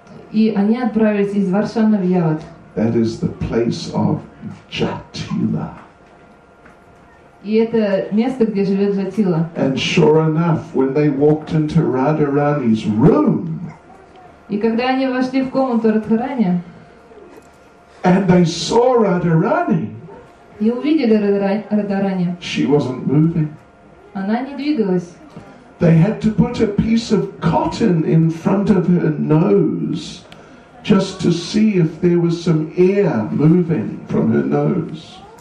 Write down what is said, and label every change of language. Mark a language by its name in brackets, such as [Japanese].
[Russian] И они отправились из Варшана в Яват. [English] That is the place of Jatila. [Russian] И это место, где живет Джатила. [English] And sure enough, when they walked into Radharani's room, [Russian] и когда они вошли в комнату Радхарани, [English] and they saw Radharani, [Russian] и увидели Радхарани, [English] she wasn't moving. [Russian] Она не двигалась. [English] They had to put a piece of cotton in front of her nose just to see if there was some air moving from her nose.